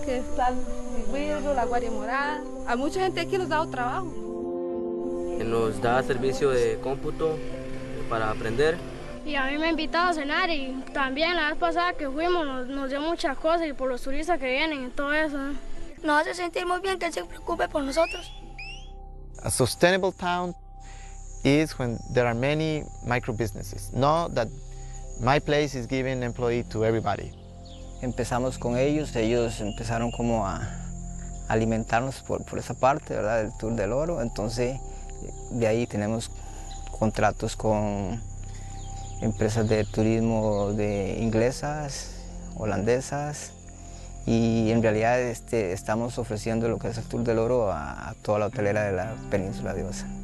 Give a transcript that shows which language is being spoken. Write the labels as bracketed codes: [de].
[es] Que está el cigüirro, la guaria morada. A mucha gente aquí nos ha dado trabajo. Nos da servicio de cómputo para aprender. Y a mí me ha invitado a cenar y también la vez pasada que fuimos nos dio muchas cosas y por los turistas que vienen y todo eso. Nos hace sentir muy bien que él se preocupe por nosotros. [en] A sustainable town is when there are many micro businesses. Not that my place is giving employee to everybody. [es] Empezamos con ellos, empezaron como a alimentarnos por esa parte, ¿verdad? El Tour del Oro, entonces de ahí tenemos contratos con empresas de turismo de inglesas, holandesas y en realidad estamos ofreciendo lo que es el Tour del Oro a toda la hotelera de la Península de Osa.